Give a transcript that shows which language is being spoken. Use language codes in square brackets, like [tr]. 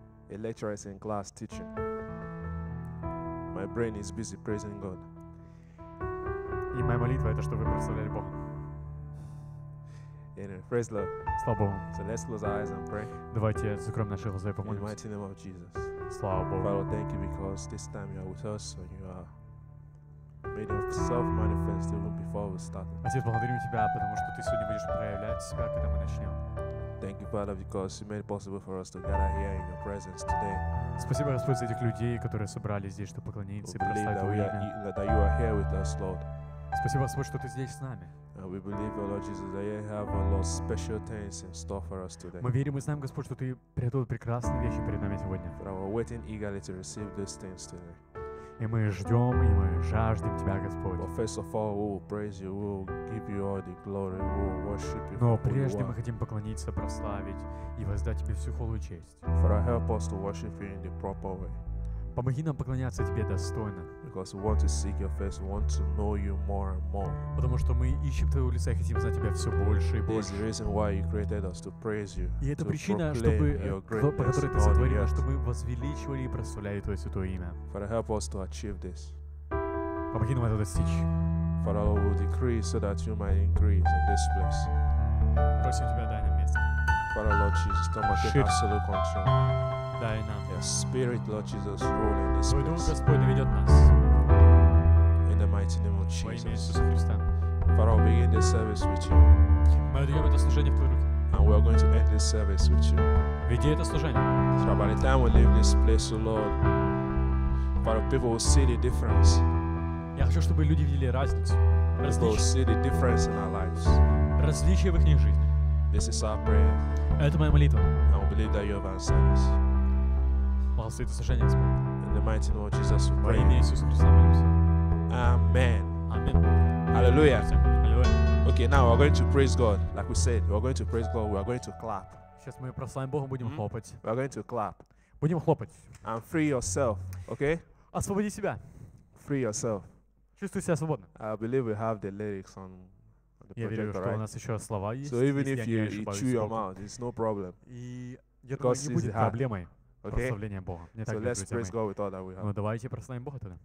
[en] A lecturer is in class teaching. My brain is busy praising God. [ru] И моя молитва это чтобы вы прославляли Бога. [en] Anyway, praise the Lord. [ru] Слава Богу. [en] So let's close our eyes and pray. [ru] Давайте закроем наши глаза и помолимся. [en] In the mighty name of Jesus. [ru] Слава Богу. [en] Father, thank you because this time you are with us and you are made yourself manifest even before we started. [ru] Отец, благодарим тебя, потому что ты сегодня будешь проявлять себя, когда мы начнем. [en] Thank you, Father, because you made it possible for us to gather here in your presence today. [ru] Спасибо, Господь, за этих людей, которые собрались здесь, чтобы поклониться и прославить Твое имя. [en] That you are here with us, Lord. [ru] Спасибо, Господь, что Ты здесь с нами. [en] We believe, Lord Jesus, that you have a lot of special things in store for us today. [ru] Мы верим и знаем, Господь, что Ты приготовил прекрасные вещи перед нами сегодня. [en] We are waiting eagerly to receive these things today. [ru] И мы ждем, и мы жаждем Тебя, Господь. [en] But first of all, we will praise You, we will give You all the glory, we will worship You. [ru] Но прежде мы хотим поклониться, прославить и воздать Тебе всю хвалу и честь. [en] For I help us to worship You in the proper way. [ru] Помоги нам поклоняться Тебе достойно. [en] Because we want to seek Your face, we want to know You more and more. [ru] Потому что мы ищем Твоего лица и хотим знать Тебя все больше и больше. [en] This is the reason why You created us to praise You. [ru] И это причина, по которой Ты сотворил нас, чтобы мы возвеличивали и прославляли Твое святое имя. [en] For help us to achieve this. [ru] Помоги нам это достичь. [en] For all will decrease so that You might increase in this place. [ru] Просим Тебя, дай нам место. [en] For Lord Jesus, to make absolute control. [ru] Дай нам. [en] Your Spirit, Lord Jesus, rule in this place. [ru] Твой Дух, Господь, ведет нас. [en] In the mighty name of Jesus. [ru] Во имя Иисуса Христа. [en] For I'll begin this service with You. [ru] Мы отдаем это служение в Твои руки. [en] And we are going to end this service with You. [ru] Веди это служение. [en] So by the time we leave this place, oh Lord, for people will see the difference. [ru] Я хочу, чтобы люди видели разницу. [en] People will see the difference in our lives. [ru] Различие в их жизни. [en] This is our prayer. [ru] Это моя молитва. [en] And we believe that You have answered us. [ru] Благослови это служение, Господь. [en] In the mighty name of Jesus, we pray. [ru] Во имя Иисуса Христа молимся. [en] Amen. Amen. Hallelujah. Hallelujah. Okay, now we're going to praise God. Like we said, we're going to praise God. We are going to clap. [ru] Сейчас мы прославим Бога, будем хлопать. [en] We are going to clap. [ru] Будем хлопать. [en] And free yourself, okay? [ru] Освободи себя. [en] Free yourself. [ru] Чувствуй себя свободно. [en] I believe we have the lyrics on the project, [ru] я верю, [en] right? [ru] Что у нас еще слова есть. [en] So even if you chew your mouth, it's no problem. [ru] И я думаю, не будет проблемой. Прославление Бога. Не [en] so [ru] так, [en] let's [ru] друзья, [en] praise God with all that we have. [ru] Ну давайте прославим Бога тогда.